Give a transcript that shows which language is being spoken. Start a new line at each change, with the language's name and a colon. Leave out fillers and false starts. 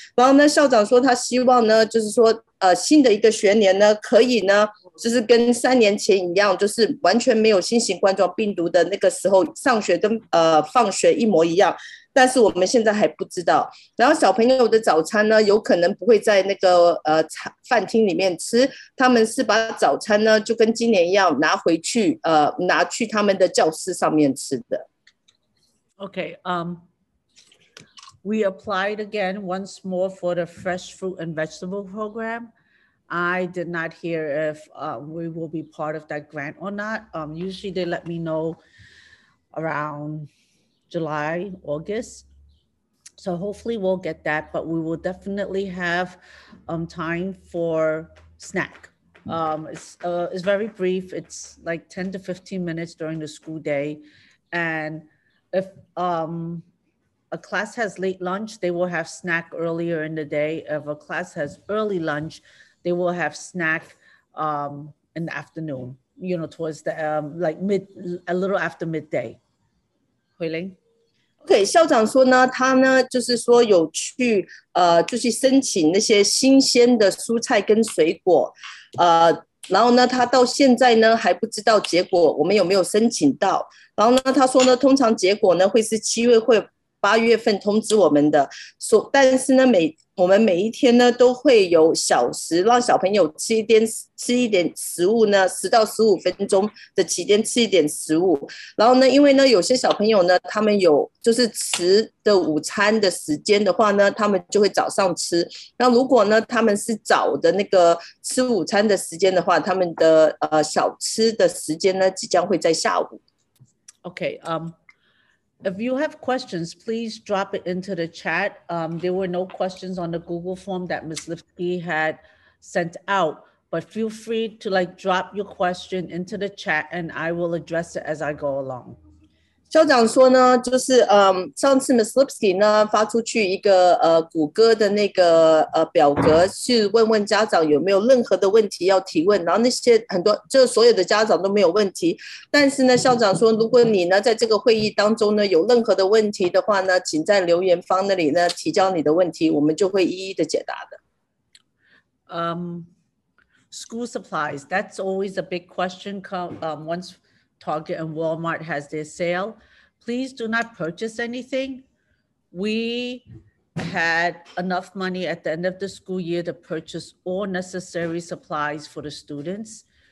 Chinese: 然后呢校长说他希望呢就是说新的一个学年呢可以呢就是跟3年前一样，就是完全没有新型冠状病毒的那个时候上学跟放学一模一样，但是我们现在还不知道。然后小朋友的早餐呢，有可能不会在那个饭厅里面吃，他们是把早餐呢就跟今年一样拿回去，拿去他们的教室上面吃的。
English: Okay, we applied again once more for the fresh fruit and vegetable program. I did not hear if we will be part of that grant or not. Usually they let me know around July, August. So hopefully we'll get that, but we will definitely have time for snack. It's very brief. It's like 10 to 15 minutes during the school day. And if a class has late lunch, they will have snack earlier in the day. If a class has early lunch, they will have snack in the afternoon, towards the like mid a little after midday. Huiling?
Chinese: OK，校长说呢，他呢就是说有去就去申请那些新鲜的蔬菜跟水果，然后呢他到现在呢还不知道结果，我们有没有申请到？然后呢他说呢，通常结果呢会是7月或8月份通知我们的，但是呢我们每一天呢都会有小时让小朋友吃一点食物呢，10到15分钟的期间吃一点食物。然后呢，因为呢有些小朋友呢，他们有就是迟的午餐的时间的话呢，他们就会早上吃。那如果呢他们是早的那个吃午餐的时间的话，他们的小吃的时间呢即将会在下午。
English: Okay, if you have questions, please drop it into the chat. There were no questions on the Google form that Ms. Lipsky had sent out, but feel free to like drop your question into the chat and I will address it as I go along.
Chinese: 校长说呢，就是上次 Ms. Lipsky 呢发出去一个谷歌的那个表格，去问问家长有没有任何的问题要提问，然后那些很多就是所有的家长都没有问题，但是呢，校长说如果你呢在这个会议当中呢有任何的问题的话呢，请在留言方那里呢提交你的问题，我们就会一一的解答的。
English: School supplies, that's always a big question. Once Target and Walmart has their sale. Please do not purchase anything. We had enough money at the end of the school year to purchase all necessary supplies for the students.